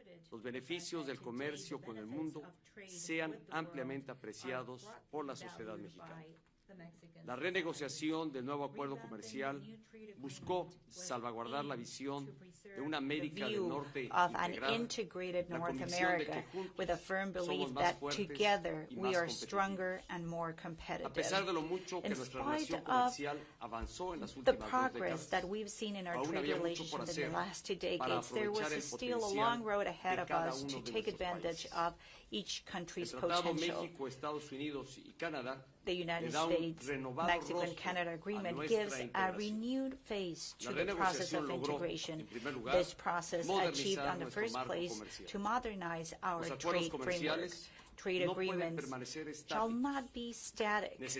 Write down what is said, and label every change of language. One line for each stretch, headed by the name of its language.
Spanish: Los beneficios del comercio con el mundo sean ampliamente apreciados por la sociedad mexicana. La renegociación del nuevo acuerdo comercial buscó salvaguardar la visión de una América del Norte integrada,
English: North America, with a firm belief that together we are stronger and more competitive.
Spanish: A pesar de lo mucho que nuestra relación comercial avanzó en las últimas décadas,
English: that we've seen in our trade relations in the last two decades, there was still a long road ahead of us to take advantage of each country's potential.
Spanish: México, Estados Unidos y Canadá,
English: the United States-Mexico-Canada agreement gives a renewed face to the process of integration. This process achieved, in the first place, to modernize our trade framework. Trade agreements shall not be static.